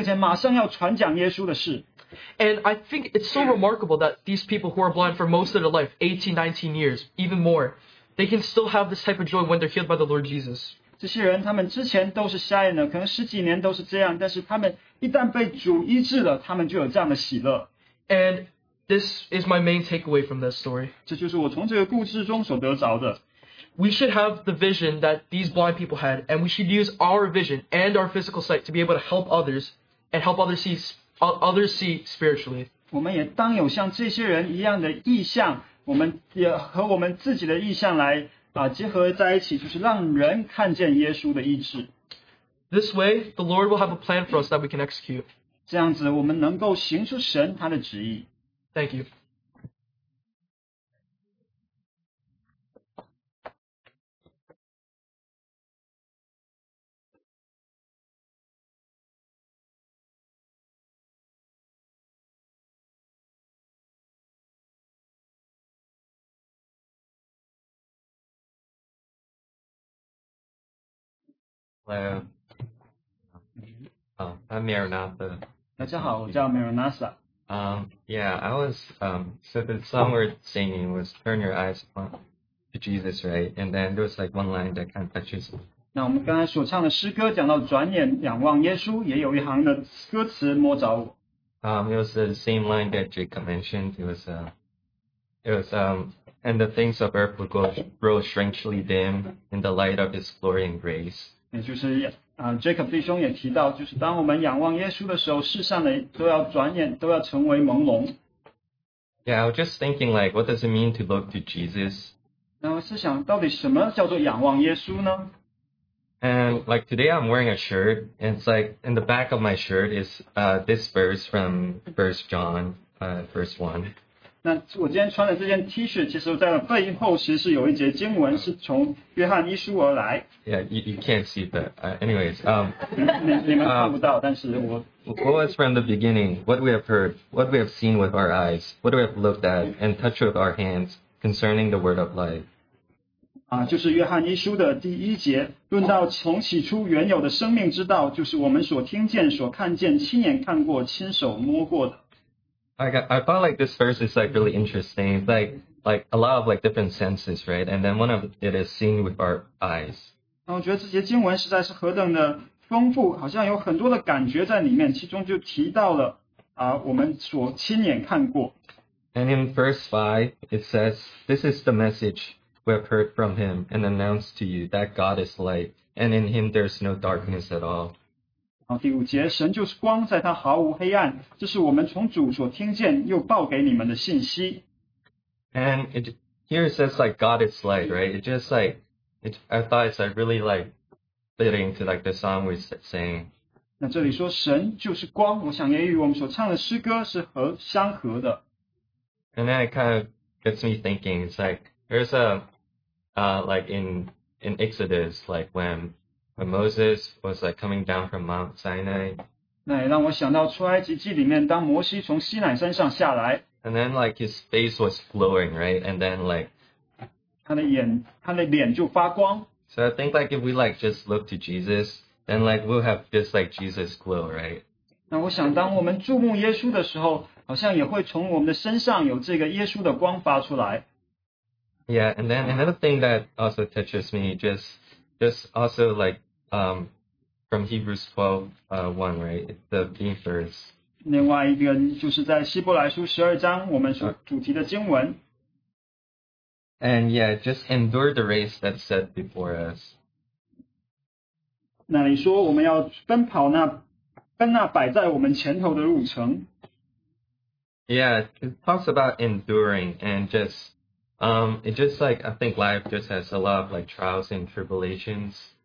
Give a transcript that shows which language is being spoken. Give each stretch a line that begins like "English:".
Chinese: 那我也注意到，每一次这些瞎眼的人得看见，他们就有那样大的喜乐，并且马上要传讲耶稣的事。
English: And I think it's so remarkable that these people who are blind for most of their life, 18, 19 years, even more, they can still have this type of joy when they're healed by the Lord Jesus.
Chinese: 这些人他们之前都是瞎眼的，可能十几年都是这样，但是他们一旦被主医治了，他们就有这样的喜乐。
English: And this is my main takeaway from this story.
Chinese: 这就是我从这个故事中所得着的。
English: We should have the vision that these blind people had, and we should use our vision and our physical sight to be able to help others and help others see others see spiritually.
Chinese: 我们也当有像这些人一样的意向，我们也和我们自己的意向来结合在一起，就是让人看见耶稣的意志。
English: This way, the Lord will have a plan for us that we can execute.
Chinese: 这样子，我们能够行出神他的旨意。
English: Thank you. I'm Maranatha.
Chinese: 大家好，我叫Maranatha.
English: Yeah, I was. So the song we're singing was "Turn Your Eyes Upon Jesus," right? And then there was like one line that kind of touches me.
Chinese: 那我们刚才所唱的诗歌讲到转眼仰望耶稣，也有一行的歌词摸着我。
English: It was the same line that Jacob mentioned. It was, and the things of earth will grow strangely dim in the light of His glory and grace.
Chinese: 也就是Jacob 弟兄也提到，就是当我们仰望耶稣的时候，世上的都要转眼都要成为朦胧。
English: Yeah, I was just thinking, like, what does it mean to look to Jesus?
Chinese: 那我是想，到底什么叫做仰望耶稣呢？
English: And like today, I'm wearing a shirt, and it's like in the back of my shirt is this verse from 1 John, verse 1.
Chinese: 那我今天穿的这件 T-shirt 其实在背后其实是有一节经文是从约翰一书而来。
English: Yeah, you can't see, but anyways,
Chinese: 你们看不到，但是我
English: what was from the beginning, what we have heard, what we have seen with our eyes, what we have looked at and touched with our hands concerning the word of life.
Chinese: 就是约翰一书的第一节, 论到从起初原有的生命之道, 就是我们所听见, 所看见, 亲眼看过, 亲手摸过的。
English: I felt like this verse is like really interesting. It's like a lot of like different senses, right? And then one of it is seeing with our eyes.
Chinese: 我觉得这些经文实在是何等的丰富, 好像有很多的感觉在里面, 其中就提到了, 我们所亲眼看过。
English: And in verse 5, it says, this is the message we have heard from him and announced to you that God is light, and in him there is no darkness at all.
Chinese: 第五节, 神就是光, 在他毫无黑暗, 这是我们从主所听见,
English: and it, here it says like God is light, right? It just like, it, I thought it's like really like fitting to like the song we sang.
Chinese: 那这里说神就是光, 我想也与我们所唱的诗歌是和相合的。
English: And then it kind of gets me thinking, it's like, there's a, like in Exodus, like when Moses was like coming down from Mount Sinai.
Chinese: 那也让我想到出埃及记里面, 当摩西从西乃山上下来,
English: and then like his face was glowing, right? And then like,
Chinese: 他的脸就发光。
English: So I think like if we like just look to Jesus, then like we'll have just like Jesus glow, right?
Chinese: 那我想当我们注目耶稣的时候, 好像也会从我们的身上有这个耶稣的光发出来。
English: Yeah, and then another thing that also touches me, just also like from Hebrews 12:1, right? The being first.
Chinese: 另外一个就是在希伯来书12章我们所主题的经文。
English: And yeah, just endure the race that's set before us.
Chinese: 那你说我们要奔跑那摆在我们前头的路程。
English: Yeah, it talks about enduring and just, it just like, I think life just has a lot of like trials and tribulations.